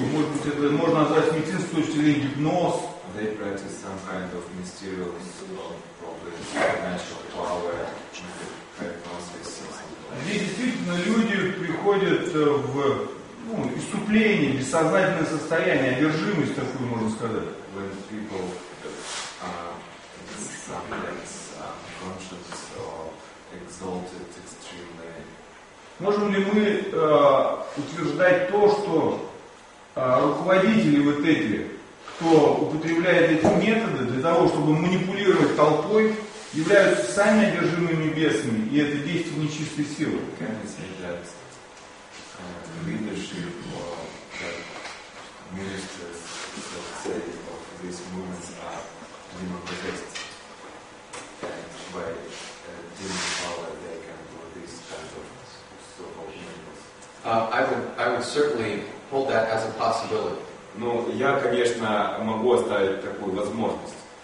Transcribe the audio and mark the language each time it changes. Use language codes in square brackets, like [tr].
[ru] Может быть, это можно назвать медицинской точки зрения гипноз. [en] They practice some kind of mysterious, supernatural power, hypnosis. [ru] Где действительно люди приходят в исступление, бессознательное состояние, одержимость такую, можно сказать. [en] When people sometimes unconscious or exalted extremely. [ru] Можем ли мы утверждать то, что руководители вот эти, кто употребляет эти методы для того, чтобы манипулировать толпой, являются сами одержимыми бесами, и это действие нечистой силы. [en] Can we say that leadership or ministers of these movements are demon-possessed? And by demon power they can do this kind of so-called miracles? I would certainly hold that as a possibility. [ru] Ну, я, конечно, могу оставить такую возможность.